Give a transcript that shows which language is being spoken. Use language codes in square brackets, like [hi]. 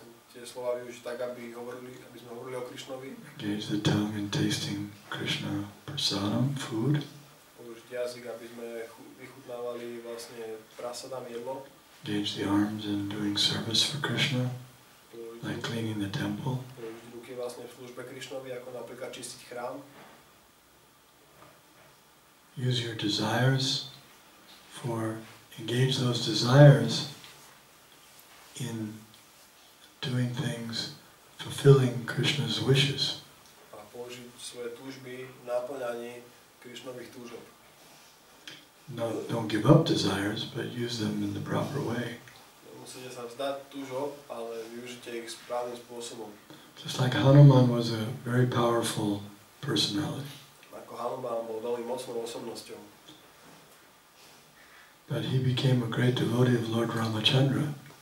[sk] Tie slova využiť tak, aby hovorili, aby sme hovorili o Krishnovi. [en] Engage the tongue in tasting Krishna prasadam, food. [sk] Použiť jazyk, aby sme vychutnávali vlastne prasadam, jedlo. [en] Engage the arms in doing service for Krishna, like cleaning the temple. [sk] Použiť ruky vlastne v službe Krishnovi, ako napríklad čistiť chrám. [en] Use your desires for, engage those desires in doing things, fulfilling Krishna's wishes. [sk] A použiť svoje túžby na plňanie Krishnových túžob. [en] No, don't give up desires, but use them in the proper way. [sk] Nemusíte sa vzdať túžob, ale využite ich správnym spôsobom. [en] Just like Hanuman was a very powerful personality. [sk] Ako Hanuman bol veľmi mocnou osobnosťou. [en] But he became a great devotee of Lord Ramachandra.